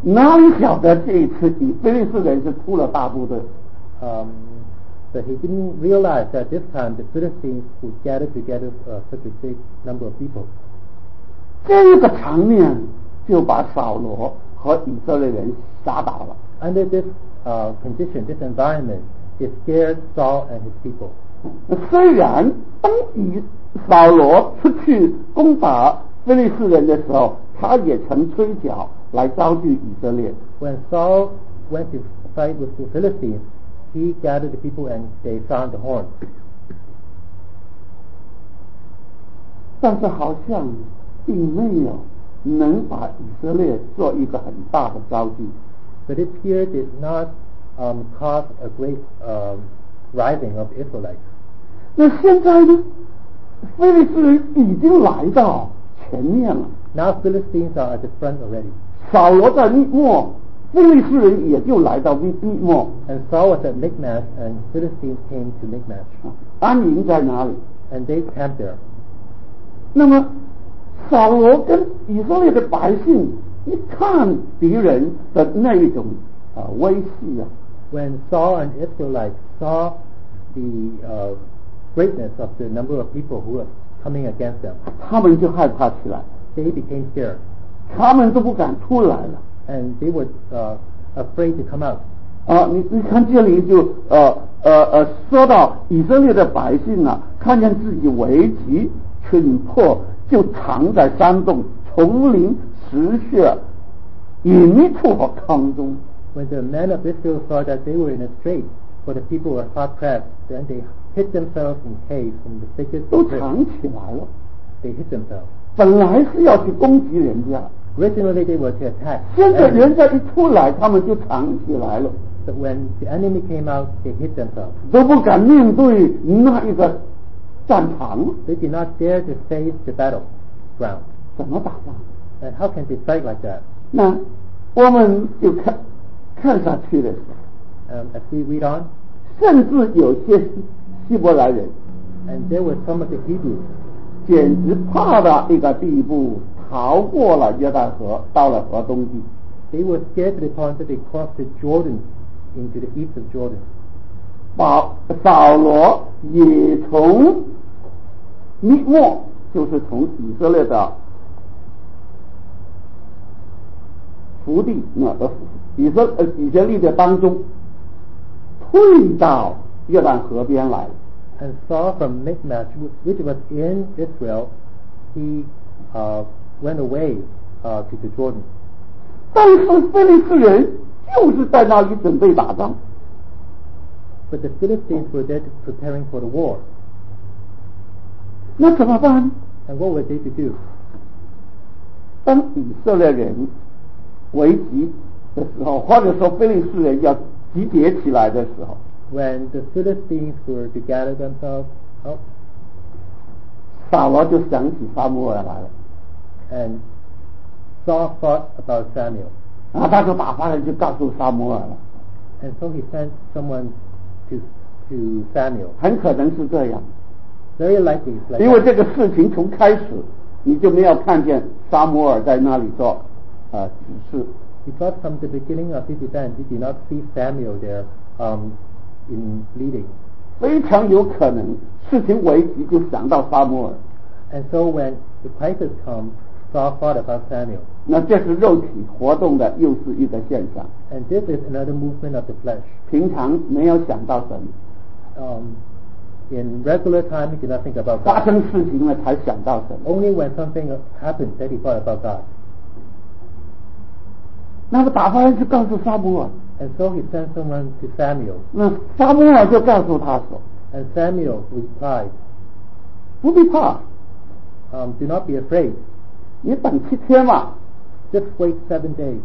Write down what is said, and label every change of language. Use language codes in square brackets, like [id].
[zh] 哪里晓得这一次以非利士人是出了大部队。 [en] But he didn't realize that this time the Philistines would gather together such a big number of people. [zh] 这个场面就把扫罗和以色列人吓倒了。 [en] Under this condition, this environment, it scared Saul and his people. [zh] 虽然当以扫罗出去攻打非利士人的时候他也曾吹角来招聚以色列。 [en] When Saul went to fight with the Philistines, he gathered the people and they sound the horn. [zh] 但是好像并没有能把以色列做一个很大的招聚。 [en] But it appeared did not cause a great rising of Israelites. [zh] 那现在呢？非利士人已经来到前面了。 [en] Now Philistines are at the front already. [zh] 扫罗在密末，非利士人也就来到密末。 [en] And Saul was at Michmash, and Philistines came to Michmash. [zh] 安营在哪里 [en] ？And they camped there. [zh] 那么，扫罗跟以色列的百姓一看敌人的那一种威势啊。 [en] When Saul and Israelites saw the greatness of the number of people who were coming against them, [zh] 他们就害怕起来。 [en] They became scared. [zh] 他们都不敢出来了。 [en] And they were afraid to come out. [zh] 你看这里就说到以色列的百姓啊，看见自己危急窘迫，就藏在山洞、丛林、石穴、隐秘处和坑中。 [en] When the men of Israel saw that they were in a strait, for the people were hard pressed, then they hid themselves in caves and the thickets. [zh] 都藏起来了。 [en] They hid themselves. [zh] 本来是要去攻击人家 [en] originally they were to attack [zh] 现在人家一出来他们就藏起来了 [en] but when the enemy came out they hid themselves [zh] 都不敢面对那一个战场 [en] they did not dare to face the battleground [zh] 怎么打仗 [en] and how can they fight like that [zh] 那我们就看下去的时候 [en] as we read on [zh] 甚至有些希伯来人 [en] and there were some of the Hebrews [zh] 简直怕到一个地步，逃过了约旦河，到了河东地。 [en] They were scared to the point that they crossed the Jordan into the east of Jordan. [zh] 扫罗也从密末，就是从以色列的福地，以色列的当中，退到约旦河边来。 [en] And Saul from Michmash, which was in Israel, he went away to the Jordan. [zh] 但是非利士人就是在那里准备打仗。 [en] But the Philistines were there preparing for the war. [zh] 那怎么办 [en] ？And what were they to do? [zh] 当以色列人危急的时候，或者说非利士人要集结起来的时候。 [en] When the Philistines were to gather themselves up, [zh] 扫罗就想起撒母耳来了 [en] and Saul thought about Samuel. [zh] 然后他就打发人去告诉撒母耳了 [en] and so he sent someone to Samuel. [zh] 很可能是这样 [en] very likely it's like [zh] 因为这个事情从开始你就没有看见撒母耳在那里做指示 [en] because from the beginning of this event, you did not see Samuel there. In leading, [zh] 非常有可能事情危急就想到撒母耳 [en] and so when the crisis comes, godfather of Samuel. [zh] 那这是肉体活动的又是一个现象。 [en] And this is another movement of the flesh. [zh] 平常没有想到神。 [en] In regular time, he did not think about God. [zh] 发生事情了才想到神。 [en] Only when something happened that he thought about God. [zh] 那么打发人去告诉撒母耳。 [en] And so he sent someone to Samuel. [zh] 那撒母耳就告诉他说。 [en] And Samuel replied, [zh] 不必怕。 [en] Do not be afraid. [zh] 你等七天嘛。 [en] Just wait 7 days.